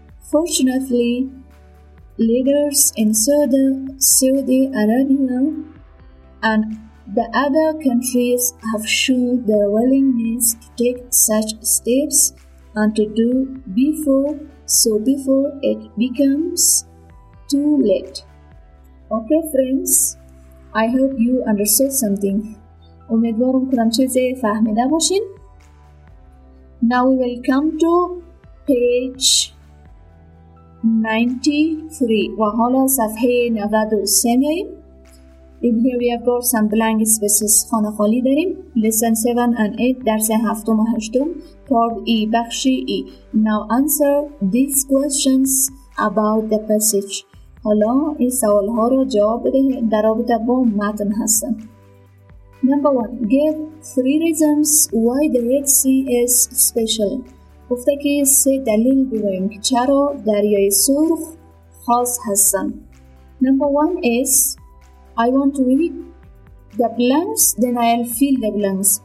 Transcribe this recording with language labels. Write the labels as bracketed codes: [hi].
[en] Fortunately, leaders in Saudi Arabia and the other countries have shown their willingness to take such steps and to do before it becomes too late. Okay, friends. I hope you understood something. [fa] امیدوارم کدام چیزی فهمیده باشین. [en] Now we will come to page 93. [fa] و حالا صفحه 93 میاییم. [en] In here we have got some blank spaces. [fa] خانه خالی داریم. [en] Lesson 7 and 8. [fa] درس 7 و 8. [en] Part E. [fa] بخشی E. [en] Now answer these questions about the passage. [fa] حالا این سوال ها رو جواب بده در رابطه با متن هستن. [en] Number one, give three reasons why the Red Sea is special. [fa] گفته که سه دلیل بیاریم که چرا دریای سرخ خاص هستن. [en] Number one is, I want to read the blanks, then I'll fill the blanks.